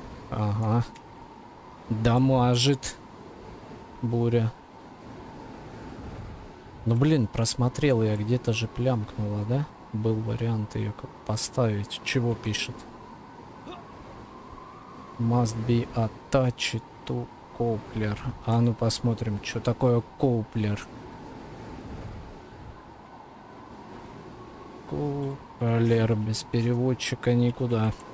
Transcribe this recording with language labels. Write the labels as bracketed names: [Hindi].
[Russian] Ага. Дамажит буря. Ну, блин, просмотрел я, где-то же плямкнуло, да? Был вариант ее поставить. Чего пишет? [English] Must be attached to Коплер. [Russian] А ну посмотрим, что такое Коплер. Коплер без переводчика никуда.